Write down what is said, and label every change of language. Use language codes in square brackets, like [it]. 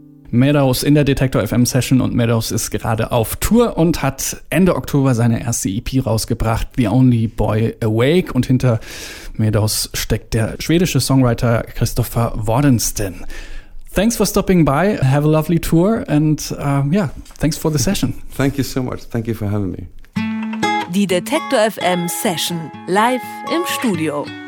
[de] Meadows in der Detektor FM Session und Meadows ist gerade auf Tour und hat Ende Oktober seine erste EP rausgebracht, The Only Boy Awake, und hinter Meadows steckt der schwedische Songwriter Christopher Wardenston. [en] Thanks for stopping by, have a lovely tour and yeah, thanks for the session. Thank you so much, thank you for having me. [de] Die Detektor FM Session live im Studio.